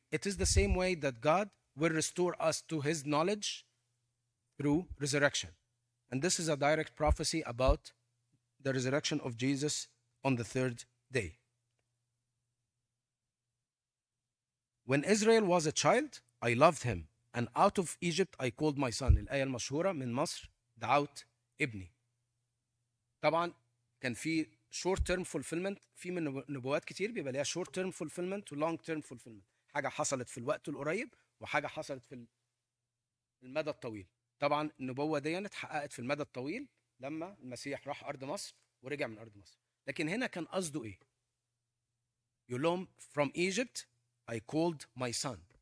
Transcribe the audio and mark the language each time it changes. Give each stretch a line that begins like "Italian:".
English: It is the same way that God will restore us to his knowledge through resurrection. And this is a direct prophecy about the resurrection of Jesus on the third day. When Israel was a child, I loved him. And out of Egypt, I called my son.
Arabic: الآية المشهورة من مصر دعوت ابني. طبعا كان في
English: short term fulfillment.
Arabic: في من نبوات كتير بيبقى ليها short term fulfillment و long term fulfillment. حاجة حصلت في الوقت القريب وحاجة حصلت في المدى الطويل. طبعا النبوة دي اتحققت في المدى الطويل لما المسيح راح أرض مصر ورجع من أرض مصر. لكن هنا كان قصده إيه؟ يقول لهم
English: from Egypt I called my son.